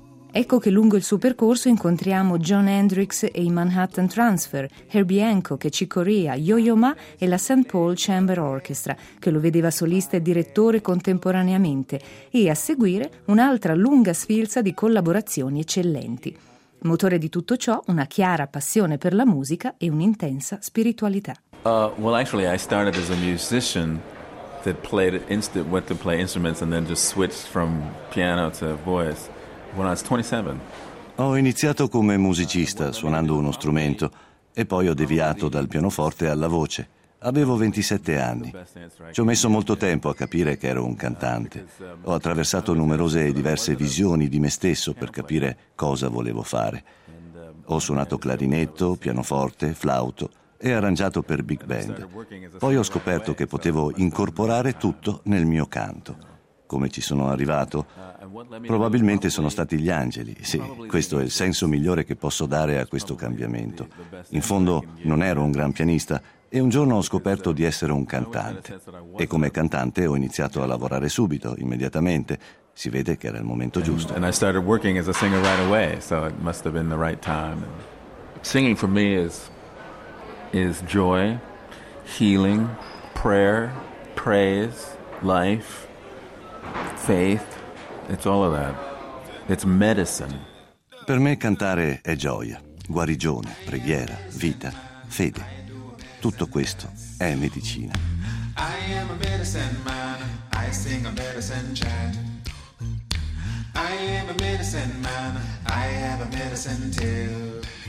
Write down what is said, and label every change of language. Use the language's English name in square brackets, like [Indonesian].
[Italian] Ecco che lungo il suo percorso incontriamo John Hendricks e i Manhattan Transfer, Herbie Hancock e Chick Corea, Yo-Yo Ma e la St. Paul Chamber Orchestra, che lo vedeva solista e direttore contemporaneamente, e a seguire un'altra lunga sfilza di collaborazioni eccellenti. Motore di tutto ciò, una chiara passione per la musica e un'intensa spiritualità. [English] I started as a musician that played instrument, went to play instruments and then just switched from piano to voice. When I was 27. [Italian] Ho iniziato come musicista suonando uno strumento e poi ho deviato dal pianoforte alla voce. Avevo 27 anni. Ci ho messo molto tempo a capire che ero un cantante. Ho attraversato numerose e diverse visioni di me stesso per capire cosa volevo fare. Ho suonato clarinetto, pianoforte, flauto e arrangiato per big band. Poi ho scoperto che potevo incorporare tutto nel mio canto. Come ci sono arrivato? Probabilmente sono stati gli angeli, sì, questo è il senso migliore che posso dare a questo cambiamento. In fondo non ero un gran pianista e un giorno ho scoperto di essere un cantante. E come cantante ho iniziato a lavorare subito, immediatamente. Si vede che era il momento giusto. [English] And I started working as a singer right away, so it must have been the right time. Singing for me is joy, healing, prayer, praise, life, faith. It's all of that. It's medicine. [Italian] Per me cantare è gioia, guarigione, preghiera, vita, fede. Tutto questo è medicina. [English] I am a medicine man. I sing a medicine chant. I am a medicine man. I have a medicine tale.